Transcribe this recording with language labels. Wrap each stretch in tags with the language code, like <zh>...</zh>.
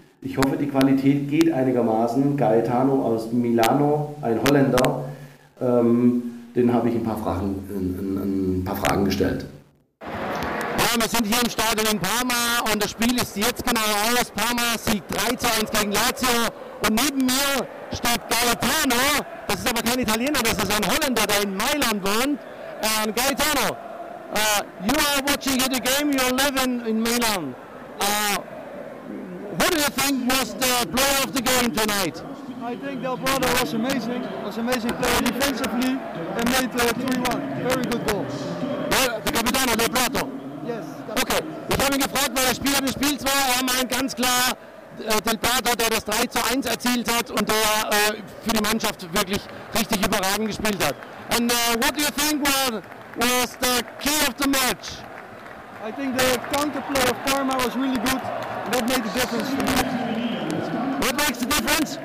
<de>Ich hoffe, die Qualität geht einigermaßen. Gaetano aus Milano, ein Holländer, den habe ich ein paar Fragen gestellt. Wir sind hier im Stadion in Parma und das Spiel ist jetzt genau aus. Parma siegt 3-1 gegen Lazio und neben mir steht Gaetano. Das ist aber kein Italiener, das ist ein Holländer, der in Mailand wohnt.</de> <en>And Gaetano, you are watching the game, you are living in Milan. What do you think was the player of the game tonight? I think Del Prado was amazing. Was an amazing player defensively and made 3-1. Very good goal. The Capitano Del Prado.</en> <de>Okay, ich habe ihn gefragt, weil der Spieler des Spiels war. Er meint ganz klar Delberto, der das 3:1 erzielt hat und der für die Mannschaft wirklich richtig überragend gespielt hat.</de> <en>And what do you think was the key of the match? I think the counterplay of Parma was really good. That made the difference. What makes the difference?</en>